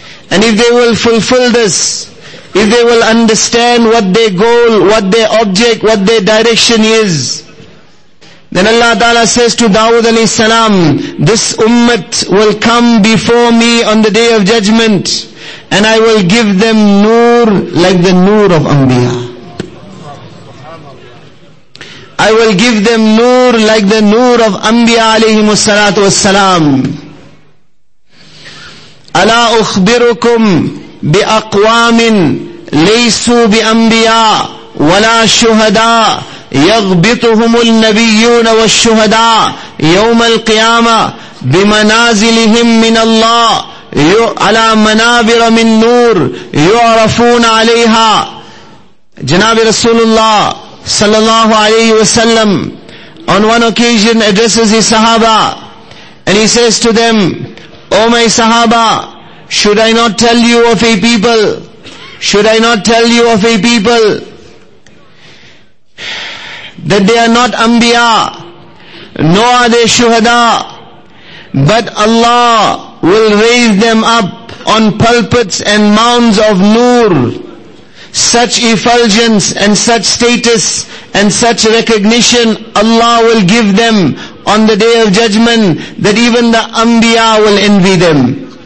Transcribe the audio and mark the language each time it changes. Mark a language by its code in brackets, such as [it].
[en] And if they will fulfill this, if they will understand what their goal, what their object, what their direction is, then Allah Ta'ala says to Dawud alayhi salam, this ummah will come before me on the day of judgment, and I will give them nur like the nur of anbiya. I will give them nur like the nur of anbiya alayhi salatu was salam. [ar] Ala ukhbirukum bi aqwamin laysu bi anbiya wala shuhada يغبطهم النبيون والشهداء يوم القيامة بمنازلهم من الله على منابر من نور يعرفون عليها. جناب رسول الله صلى الله عليه وسلم [en] on one occasion addresses his sahaba and he says to them, O my sahaba, should I not tell you of a people? Should I not tell you of a people that they are not anbiya, nor are they shuhada, but Allah will raise them up on pulpits and mounds of nur, such effulgence and such status and such recognition Allah will give them on the day of judgment that even the anbiya will envy them.